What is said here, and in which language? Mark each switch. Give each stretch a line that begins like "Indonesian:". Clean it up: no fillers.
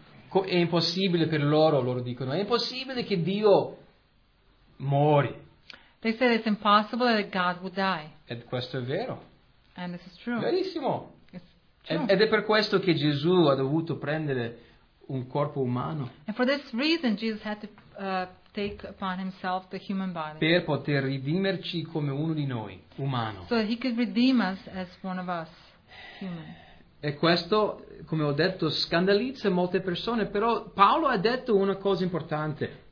Italian: È impossibile per loro dicono, è impossibile che Dio muori.
English: They said it's impossible that God would die.
Italian: E questo è vero.
English: And this is true.
Italian: Verissimo.
English: It's true.
Italian: Ed è per questo che Gesù ha dovuto prendere un corpo umano.
English: And for this reason, Jesus had to take upon himself the human body.
Italian: Per poter redimerci come uno di noi, umano.
English: So he could redeem us as one of us, human.
Italian: E questo, come ho detto, scandalizza molte persone, però Paolo ha detto una cosa importante.